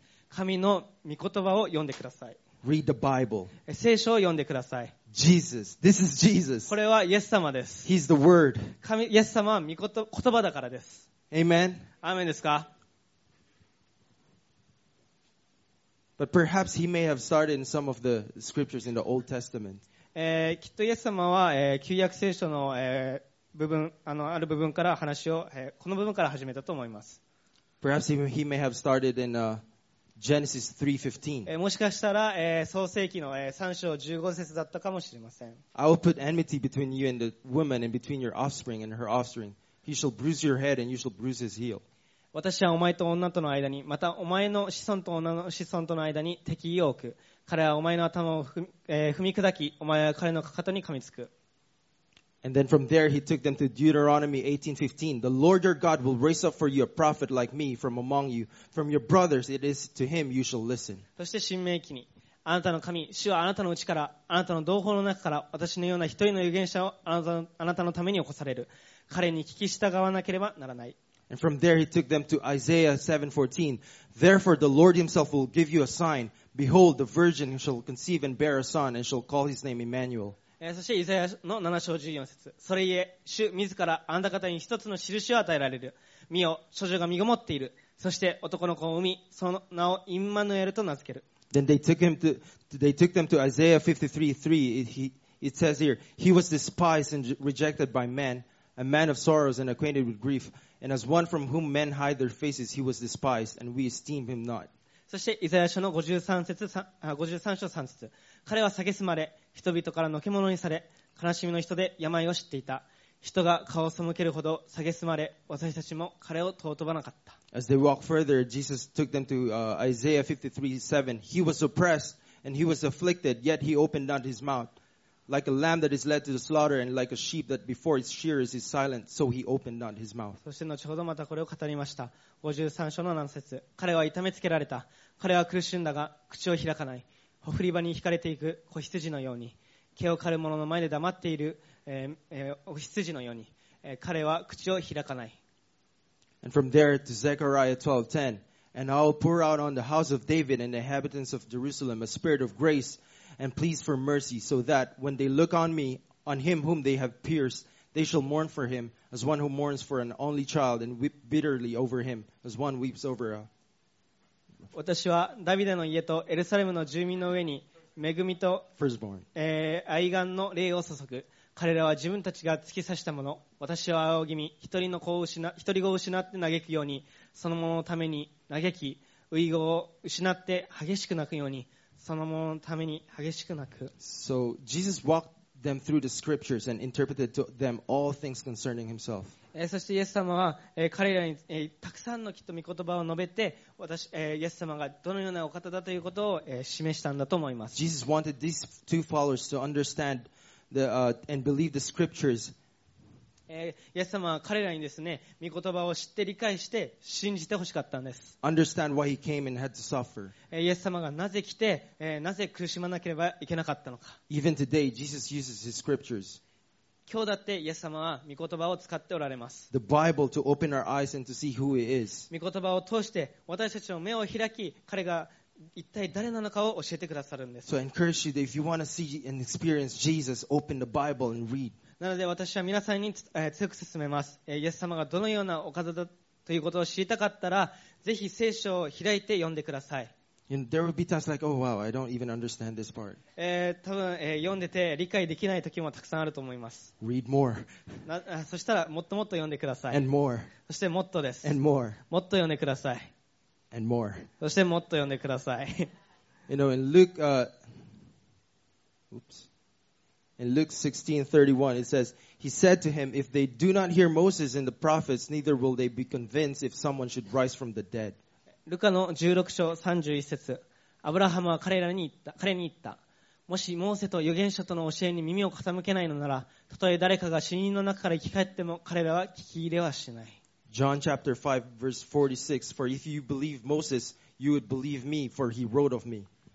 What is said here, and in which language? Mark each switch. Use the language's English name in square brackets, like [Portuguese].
[Japanese] 神の御言葉を読んでください。 [English] Read the Bible. [Japanese] 聖書を読んでください。 [English] Jesus. This is Jesus. [Japanese] これはイエス様です。 [English] He's the word. [Japanese] 神、イエス様は言葉だからです。 [English] Amen. [Japanese] Amen ですか? [English] But perhaps he may have started in some of the scriptures in the Old Testament. [Japanese] きっとイエス様は、旧約聖書の、部分、ある部分から話を、この部分から始めたと思います。 [English] Perhaps he may have started in, Genesis 3:15. [Japanese] もしかしたら、創世記の、3章15節だったかもしれません。 [English] I will put enmity between you and the woman and between your offspring and her offspring. You shall bruise your head and you shall bruise his heel. [Japanese] 私はお前と女との間に、またお前の子孫と女の子孫との間に敵意を置く。彼はお前の頭を踏み砕き、お前は彼のかかとに噛みつく。 [English] And then from there he took them to Deuteronomy 18:15. The Lord your God will raise up for you a prophet like me from among you. From your brothers it is to him you shall listen. [Japanese] そして申命記に、あなたの神、主はあなたのうちから、あなたの同胞の中から、私のような一人の預言者をあなたのために起こされる。彼に聞き従わなければならない。 [English] And from there he took them to Isaiah 7:14. Therefore the Lord himself will give you a sign. Behold, the virgin shall conceive and bear a son and shall call his name Emmanuel. [Japanese] そしてイザヤの7章14節。それゆえ、主自らあなた方に一つの印を与えられる。見よ、処女が身ごもっている。そして男の子を産み、その名をインマヌエルと名付ける。 [English] Then they took them to Isaiah 53:3. It says here, he was despised and rejected by men. A man of sorrows and acquainted with grief, and as one from whom men hide their faces, he was despised, and we esteemed him not. [Japanese] そしてイザヤ書の53章3節。彼は蔑まれ、人々からのけ者にされ、悲しみの人で病を知っていた。人が顔を背けるほど蔑まれ、私たちも彼を尊ばなかった。 [English] As they walked further, Jesus took them to Isaiah 53:7. He was oppressed and he was afflicted, yet he opened not his mouth. Like a lamb that is led to the slaughter and like a sheep that before its shearers is silent, so he opened not his mouth. [Japanese] そして後ほどまたこれを語りました。53章の何節。彼は痛めつけられた。彼は苦しんだが口を開かない。ほふり場に引かれていく子羊のように。毛を刈る者の前で黙っている、お羊のように。彼は口を開かない。 [English] And from there to Zechariah 12:10. And I will pour out on the house of David and the inhabitants of Jerusalem a spirit of grace. And please for mercy, so that when they look on me, on him whom they have pierced, they shall mourn for him as one who mourns for an only child, and weep bitterly over him as one weeps over a. [Japanese] 私はダビデの家とエルサレムの住民の上に恵みと [English] firstborn [Japanese] 愛願の霊を注ぐ。彼らは自分たちが突き刺したもの、私は仰ぎみ一人子を失って嘆くように、そのもののために嘆き、遺言を失って激しく泣くように。そのもののために激しく泣く。 [English] So Jesus walked them through the scriptures and interpreted to them all things concerning himself. [Japanese] そしてイエス様は彼らにたくさんのきっと御言葉を述べて、私イエス様がどのようなお方だということを示したんだと思います。 [English] Jesus wanted these two followers to understand the, and believe the scriptures. [Japanese] イエス様は彼らにですね、御言葉を知って理解して信じてほしかったんです。 [English] Understand why he came and had to suffer. [Japanese] イエス様がなぜ来て、なぜ苦しまなければいけなかったのか。 [English] Even today, Jesus uses his scriptures. [Japanese] 今日だってイエス様は御言葉を使っておられます。 [English] The Bible to open our eyes and to see who he is. [Japanese] 御言葉を通して私たちの目を開き、彼が一体誰なのかを教えてくださるんです。 [English] So I encourage you that if you want to see and experience Jesus, open the Bible and read. [Japanese] なので私は皆さんに強く勧めます。イエス様がどのようなお方だということを知りたかったら、ぜひ聖書を開いて読んでください。 [English] And there will be times like, oh wow, I don't even understand this part. [Japanese] 多分、読んでて理解できない時もたくさんあると思います。 [English] Read more. [Japanese] そしたらもっともっと読んでください。 [English] And more. [Japanese] そしてもっとです。 [English] And more. [Japanese] もっと読んでください。 [English] And more. [Japanese] そしてもっと読んでください。 [English] You know, in Luke, oops. In Luke 16:31, it says, He said to him, If they do not hear Moses and the prophets, neither will they be convinced if someone should rise from the dead. [Japanese] ルカの16章31節、アブラハムは彼に言った、もしモーセと預言者との教えに耳を傾けないのなら、たとえ誰かが死人の中から生き返っても彼らは聞き入れはしない。 [English] John chapter 5 verse 46 For if you believe Moses, you would believe me, for he wrote of me.